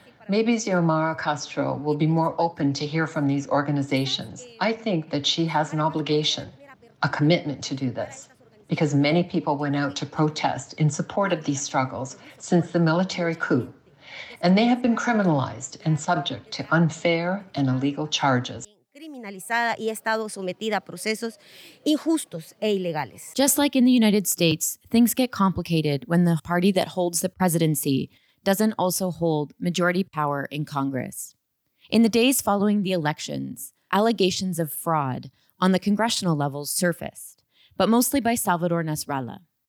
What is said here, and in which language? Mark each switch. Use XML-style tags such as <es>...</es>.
<en>Maybe Xiomara Castro will be more open to hear from these organizations. I think that she has an obligation, a commitment to do this, because many people went out to protest in support of these struggles since the military coup, and they have been criminalized and subject to unfair and illegal charges.</en> <es>Criminalizada y ha estado sometida a procesos injustos e ilegales.</es> <en>Just like in the United States, things get complicated when the party that holds the presidency doesn't also hold majority power in Congress. In the days following the elections, allegations of fraud on the congressional levels surfaced, but mostly by Salvador Nasralla.</en>